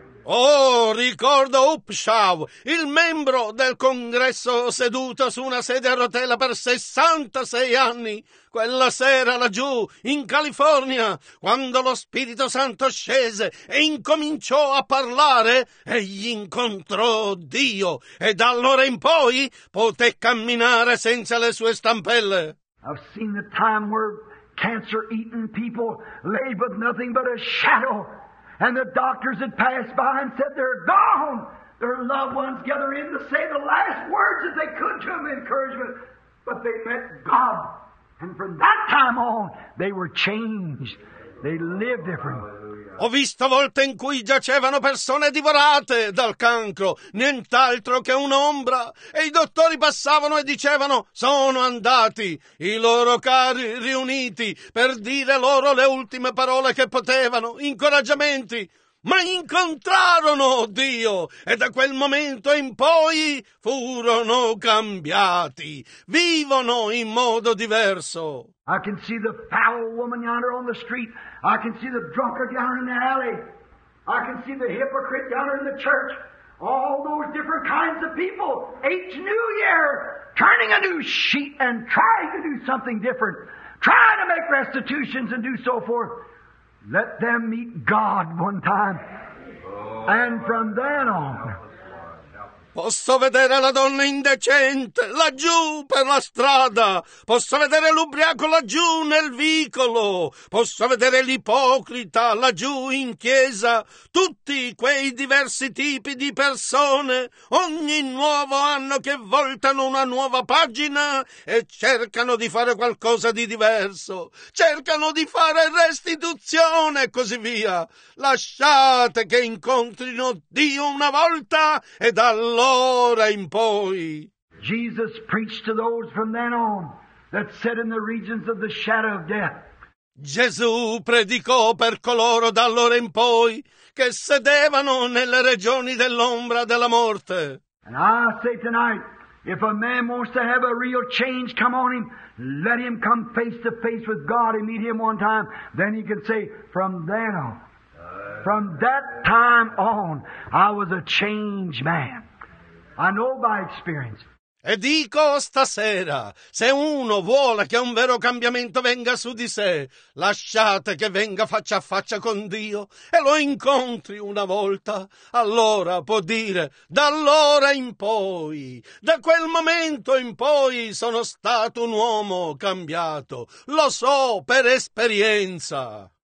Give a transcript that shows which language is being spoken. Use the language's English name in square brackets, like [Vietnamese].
[Italian] Oh, ricordo Upshaw, il membro del congresso seduto su una sedia a rotella per 66 anni. Quella sera laggiù, in California, quando lo Spirito Santo scese e incominciò a parlare, egli incontrò Dio e da allora in poi poté camminare senza le sue stampelle. [English] I've seen the time where cancer-eaten people lay with nothing but a shadow. And the doctors had passed by and said, they're gone. Their loved ones gather in to say the last words that they could to them in encouragement. But they met God. And from that time on, they were changed. They lived different. [Italian] Ho visto volte in cui giacevano persone divorate dal cancro, nient'altro che un'ombra, e i dottori passavano e dicevano, sono andati, i loro cari riuniti per dire loro le ultime parole che potevano, incoraggiamenti, ma incontrarono Dio, e da quel momento in poi furono cambiati, vivono in modo diverso. [English] I can see the foul woman yonder on the street. I can see the drunkard down in the alley. I can see the hypocrite down in the church. All those different kinds of people. Each new year, turning a new sheet and trying to do something different. Trying to make restitutions and do so forth. Let them meet God one time. And from then on. [Italian] Posso vedere la donna indecente laggiù per la strada. Posso vedere l'ubriaco laggiù nel vicolo. Posso vedere l'ipocrita laggiù in chiesa. Tutti quei diversi tipi di persone. Ogni nuovo anno che voltano una nuova pagina e cercano di fare qualcosa di diverso. Cercano di fare restituzione e così via. Lasciate che incontrino Dio una volta e da allora. Ora in poi. [English] Jesus preached to those from then on that sat in the regions of the shadow of death. [Italian] Gesù predicò per coloro da allora in poi che sedevano nelle regioni dell'ombra della morte. [English] And I say tonight, if a man wants to have a real change come on him, let him come face to face with God and meet him one time. Then he can say, from then on, from that time on, I was a changed man. I know by experience. [Italian] E dico stasera, se uno vuole che un vero cambiamento venga su di sé, lasciate che venga faccia a faccia con Dio e lo incontri una volta, allora può dire, da allora in poi, da quel momento in poi sono stato un uomo cambiato, lo so per esperienza.